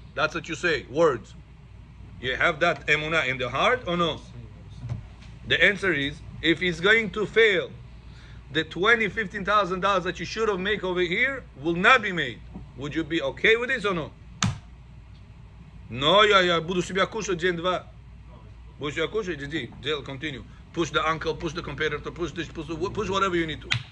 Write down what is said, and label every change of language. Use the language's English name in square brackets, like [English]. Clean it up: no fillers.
[English] That's what you say, words. You have that emunah in the heart or no? The answer is, if it's going to fail, the $20,000, $15,000 that you should have made over here will not be made. Would you be okay with this or no? [Russian] No, я буду себя кушать день два. Будешь себя кушать, иди, дело continue. [English] Push the uncle, push the competitor, push this, push whatever you need to.